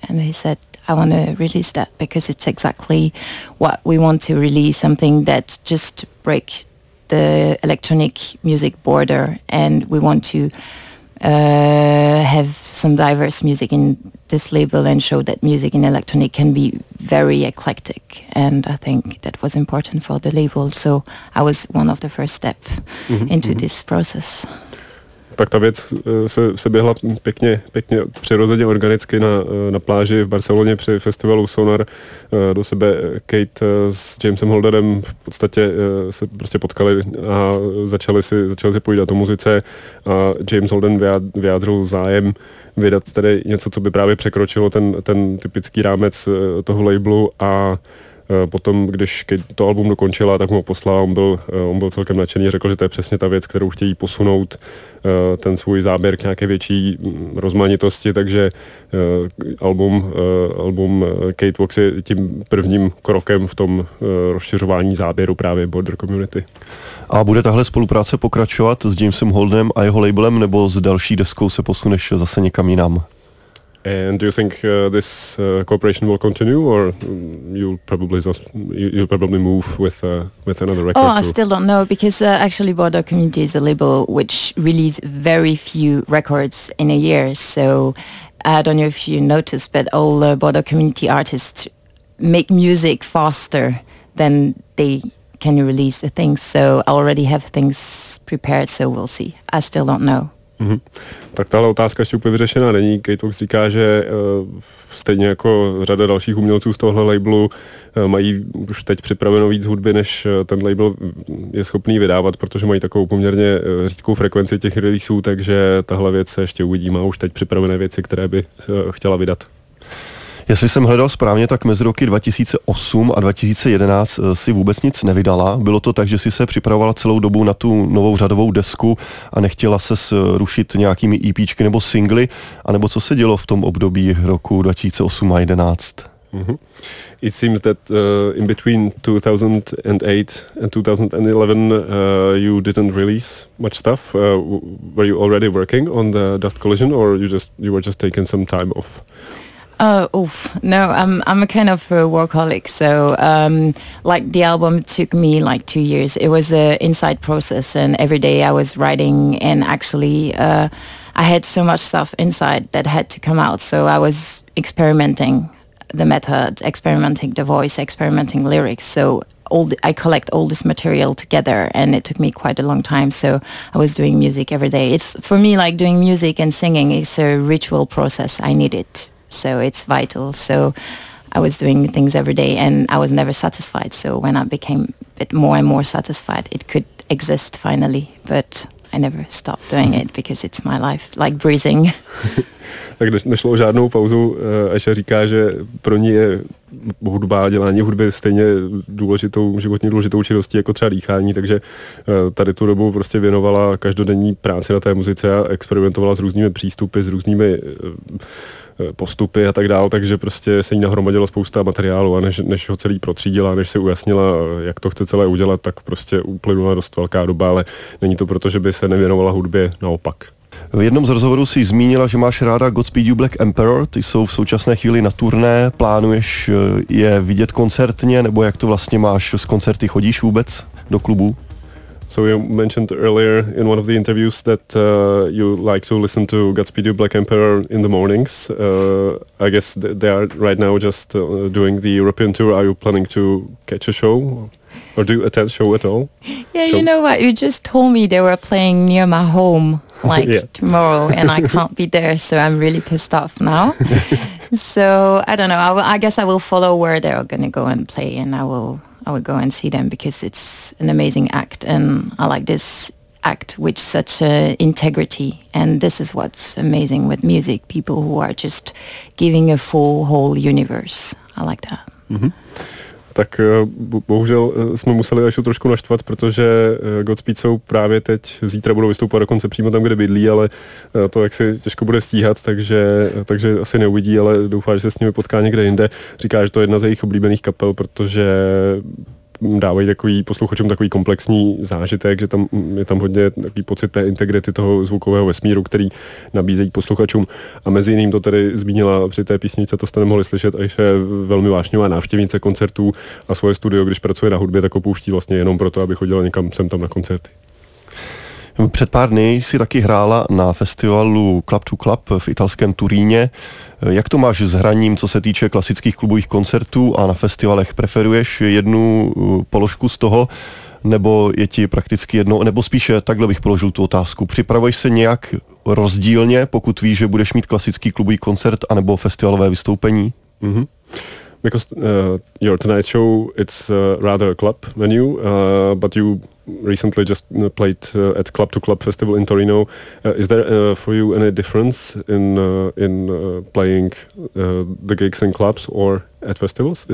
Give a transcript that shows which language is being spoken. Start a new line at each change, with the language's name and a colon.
English: And he said, I want to release that because it's exactly what we want to release, something that just break the electronic music border, and we want to have some diverse music in this label and show that music in electronic can be very eclectic. And I think that was important for the label, so I was one of the first step into this process.
Czech: Tak ta věc se běhla pěkně přirozeně organicky na pláži v Barceloně při festivalu Sonar. Do sebe Kate s Jamesem Holdenem v podstatě se prostě potkali a začali si povídat o muzice, a James Holden vyjádřil zájem vydat tady něco, co by právě překročilo ten typický rámec toho labelu, a potom, když to album dokončila, tak mu ho poslala, on byl celkem nadšený, řekl, že to je přesně ta věc, kterou chtějí posunout, ten svůj záběr k nějaké větší rozmanitosti, takže album Catewalks je tím prvním krokem v tom rozšiřování záběru právě Border Community. A bude tahle spolupráce pokračovat s Jamesem Holdenem a jeho labelem, nebo s další deskou se posuneš zase někam jinam?
English: And do you think this cooperation will continue, or you'll probably move with another record? Oh, I still don't know, because actually Border Community is a label which releases very few records in a year. So I don't know if you noticed, but all Border Community artists make music faster than they can release the things. So I already have things prepared, so we'll see. I still don't know. Mm-hmm.
Czech: Tak tahle otázka ještě úplně vyřešená není. Catewalks říká, že stejně jako řada dalších umělců z tohle labelu mají už teď připraveno víc hudby, než ten label je schopný vydávat, protože mají takovou poměrně řídkou frekvenci těch releaseů, takže tahle věc se ještě uvidí, má už teď připravené věci, které by chtěla vydat. Jestli jsem hledal správně, tak mezi roky 2008 a 2011 si vůbec nic nevydala. Bylo to tak, že si se připravovala celou dobu na tu novou řadovou desku a nechtěla se rušit nějakými EPčky nebo singly, anebo co se dělo v tom období roku 2008 a 2011? Mm-hmm.
English: It seems that in between 2008 and 2011 you didn't release much stuff. Were you already working on the Dust Collision, or you were just taking some time off? No, I'm a kind of a workaholic, so like the album took me like 2 years. It was a inside process, and every day I was writing, and actually I had so much stuff inside that had to come out, so I was experimenting the method, experimenting the voice, experimenting lyrics, so I collect all this material together, and it took me quite a long time, so I was doing music every day. It's for me, like, doing music and singing is a ritual process. I need it. So it's vital. So I was doing things every day, and I was never satisfied. So when I became a bit more and more satisfied, it could exist finally. But I never stopped doing it because it's my life, like breathing.
Czech: Tak nešlo o žádnou pauzu. Aisha říká, že pro ní je hudba, dělání hudby stejně důležitou, životně důležitou činností jako třeba dýchání, takže tady tu dobu prostě věnovala každodenní práci na té muzice a experimentovala s různými přístupy, s různými postupy a tak dál, takže prostě se jí nahromadilo spousta materiálu, a než ho celý protřídila, než se ujasnila, jak to chce celé udělat, tak prostě uplynula dost velká doba, ale není to proto, že by se nevěnovala hudbě, naopak. V jednom z rozhovorů jsi zmínila, že máš ráda Godspeed You Black Emperor, ty jsou v současné chvíli na turné, plánuješ je vidět koncertně, nebo jak to vlastně máš z koncerty, chodíš vůbec do klubů?
English: So you mentioned earlier in one of the interviews that you like to listen to Godspeed You Black Emperor in the mornings. I guess they are right now just doing the European tour. Are you planning to catch a show, or do you attend show at all? Yeah, show? You know what? You just told me they were playing near my home, like tomorrow, and I can't be there, so I'm really pissed off now. So I don't know. I guess I will follow where they're going to go and play, and I would go and see them because it's an amazing act, and I like this act with such integrity, and this is what's amazing with music, people who are just giving a full whole universe. I like that. Mm-hmm.
Czech: tak bohužel jsme museli Ajšu trošku naštvat, protože Godspeed jsou právě teď, zítra budou vystoupat dokonce přímo tam, kde bydlí, ale to jaksi těžko bude stíhat, takže asi neuvidí, ale doufá, že se s nimi potká někde jinde. Říká, že to je jedna z jejich oblíbených kapel, protože dávají takový posluchačům takový komplexní zážitek, že tam je tam hodně takový pocit té integrity toho zvukového vesmíru, který nabízejí posluchačům. A mezi jiným to tedy zmínila při té písničce, to jste nemohli slyšet, a ještě je velmi vášňová návštěvnice koncertů a svoje studio, když pracuje na hudbě, tak opouští vlastně jenom proto, aby chodila někam sem tam na koncerty. Před pár dny jsi taky hrála na festivalu Club to Club v italském Turíně. Jak to máš s hraním, co se týče klasických klubových koncertů, a na festivalech preferuješ jednu položku z toho, nebo je ti prakticky jedno, nebo spíše takhle bych položil tu otázku. Připravuješ se nějak rozdílně, pokud víš, že budeš mít klasický klubový koncert anebo festivalové vystoupení? Mm-hmm.
English: Because your tonight show, it's rather a club venue, but you recently just played at Club to Club Festival in Torino. Is there for you any difference in playing the gigs in clubs or at festivals?